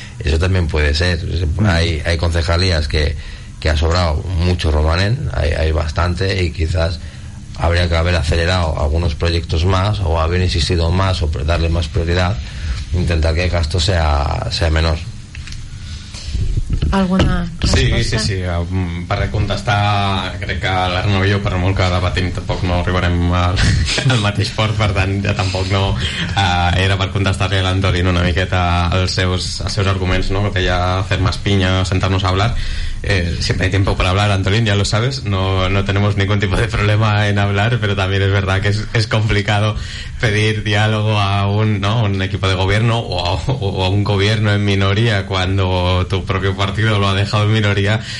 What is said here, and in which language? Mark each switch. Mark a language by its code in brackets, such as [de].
[es] Eso también puede ser. Hay concejalías que ha sobrado mucho romanen, hay bastante, y quizás habría que haber acelerado algunos proyectos más, o haber insistido más, o darle más prioridad, intentar que el gasto sea menor. [ca] ¿Alguna resposta? Sí, per contestar, crec que l'Arnau i jo, per molt que debatim, tampoc no arribarem al mateix port, per tant, ja tampoc no... Era per contestar-li a l'Antolín una miqueta els seus arguments, ¿no?, que deia fer [es] más piña, sentar-nos a hablar. Siempre hay tiempo para hablar, Antolín, ya lo sabes, no tenemos ningún tipo de problema en hablar, pero también es verdad que es complicado pedir diálogo a un, ¿no?, un equipo de gobierno o a un gobierno en minoría cuando tu propio partido lo ha dejado en minoría,